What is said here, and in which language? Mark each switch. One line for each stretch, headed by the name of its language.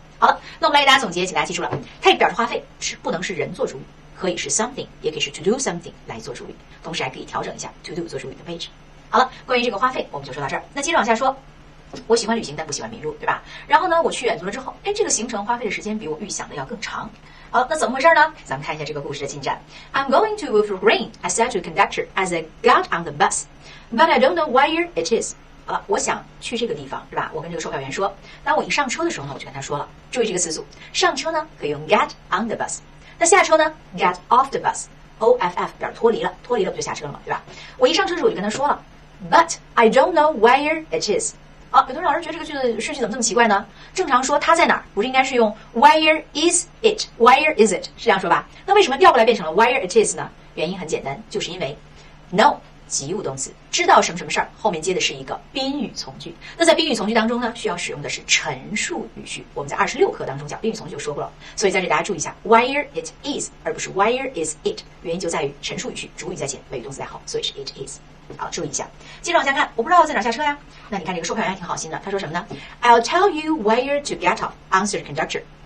Chinese: 好了，那我们来给大家总结，请大家记住了， take 表示花费，是不能是人做主语，可以是 something， 也可以是
English: to do something
Chinese: 来做主语，同时还可以调整一下 to do 做主语的位置。好了，关于这个花费我们就说到这儿。那接着往下说，我喜欢旅行但不喜欢迷路，对吧？然后呢，我去远足了之后，哎，这个行程花费的时间比我预想的要更长。好，那怎么回事呢？咱们看一下这个故事的进展。
English: I'm going to move to green, I said to the conductor as I got on the bus, but I don't know where it is。
Chinese: 好了，我想去这个地方，是吧？我跟这个售票员说，当我一上车的时候呢，我就跟他说了，注意这个词组，上车呢可以用
English: get on the bus，
Chinese: 那下车呢
English: get off the bus，
Chinese: off 表脱离了，脱离了不就下车了嘛，对吧？我一上车的时候我就跟他说了，
English: but I don't know where it is。
Chinese: 好，有同学老师觉得这个句子顺序怎么这么奇怪呢？正常说它在哪儿，不是应该是用
English: where is it， where is it，
Chinese: 是这样说吧？那为什么调过来变成了
English: where it is
Chinese: 呢？原因很简单，就是因为 know 及物动词，知道什么什么事儿，后面接的是一个宾语从句。那在宾语从句当中呢，需要使用的是陈述语序。我们在26课当中讲宾语从句就说过了，所以在这里大家注意一下
English: where it is
Chinese: 而不是
English: where is it，
Chinese: 原因就在于陈述语序，主语在前，谓语动词在后，所以是 it is。好，注意一下，接着往下看，我不知道在哪下车呀。那你看这个售票员挺好心的，他说什么呢？
English: I'll tell you where to get off, answered the conductor。